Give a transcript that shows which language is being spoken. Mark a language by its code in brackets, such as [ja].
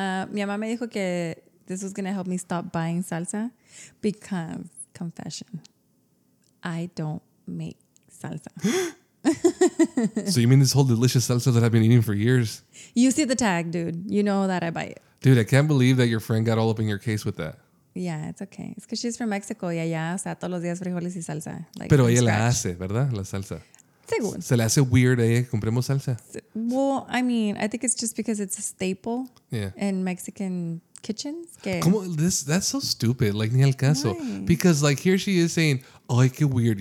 [es] Mi mamá me dijo que [en] this was gonna help me stop buying salsa because, confession, I don't make salsa. So you mean this whole delicious salsa that I've been eating for years? You see the tag, dude. You know that I buy it. Dude, I can't believe that your friend got all up in your case with that. Yeah, it's okay. It's because she's from Mexico. [es] Y allá, o sea, todos los días frijoles y salsa. Like, pero ella scratch. La hace, ¿verdad? La salsa. Según. Se le hace weird a ella que compremos salsa. [en] Well, I mean, I think it's just because it's a staple yeah. in Mexican kitchens. [es] ¿Cómo? [en] That's so stupid. Like, [es] ni al caso. [en] Why? Because, like, here she is saying, [es] ay, qué weird.